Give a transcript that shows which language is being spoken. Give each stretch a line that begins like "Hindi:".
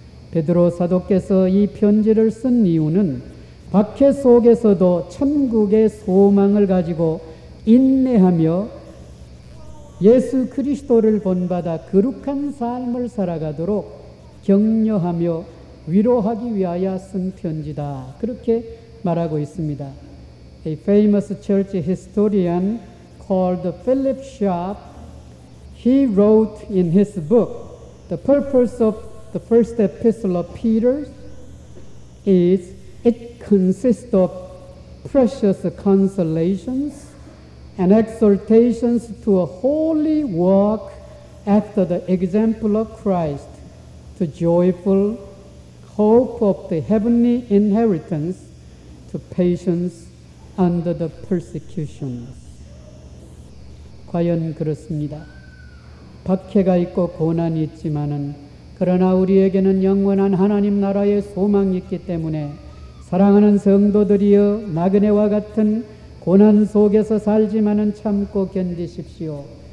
Korean: 베드로 사도께서 이 편지를 쓴 이유는 박해 속에서도 천국의 소망을 가지고 인내하며 예수 그리스도를 본받아 거룩한 삶을 살아가도록 격려하며 위로하기 위하여 쓴 편지다, 그렇게 말하고 있습니다.
English: A famous church historian called Philip Sharp, he wrote in his book, The purpose of the first epistle of Peter is it consists of precious consolations and exhortations to a holy walk after the example of Christ, to joyful hope of the heavenly inheritance, to patience under the persecutions.
Korean: 과연 그렇습니다. 박해가 있고 고난이 있지만은 그러나 우리에게는 영원한 하나님 나라의 소망이 있기 때문에 사랑하는 성도들이여, 나그네와 같은 고난 속에서 살지만은 참고 견디십시오.